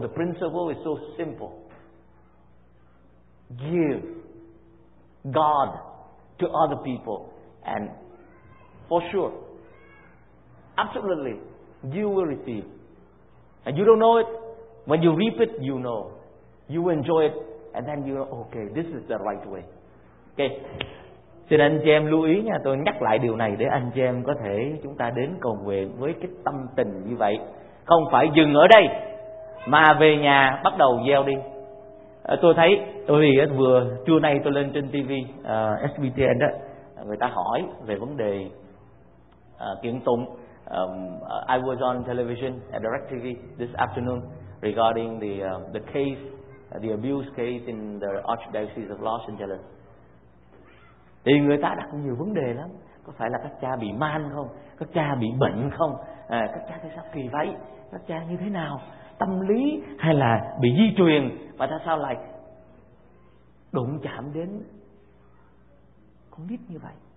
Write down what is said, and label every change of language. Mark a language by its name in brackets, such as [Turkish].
[English] The principle is so simple. Give God to other people, and for sure, absolutely, you will receive. And you don't know it. When you reap it, you know. You will enjoy it. And then you're okay, this is the right way. Okay. [Vietnamese] Xin anh chị em lưu ý nha, tôi nhắc lại điều này để anh chị em có thể chúng ta đến cầu nguyện với cái tâm tình như vậy. Không phải dừng ở đây, mà về nhà bắt đầu gieo đi. Tôi thấy, tôi thì vừa trưa nay tôi lên trên TV, SBTN đó, người ta hỏi về vấn đề kiện tụng. [English] I was on television, at Direct TV this afternoon, regarding the case, the abuse case in the Archdiocese of Los Angeles. [Vietnamese] Thì người ta đặt nhiều vấn đề lắm. Có phải là các cha bị man không? Các cha bị bệnh không? Các cha tại sao kỳ vậy? Các cha như thế nào? Tâm lý hay là bị di truyền? Và tại sao lại đụng chạm đến con nít như vậy?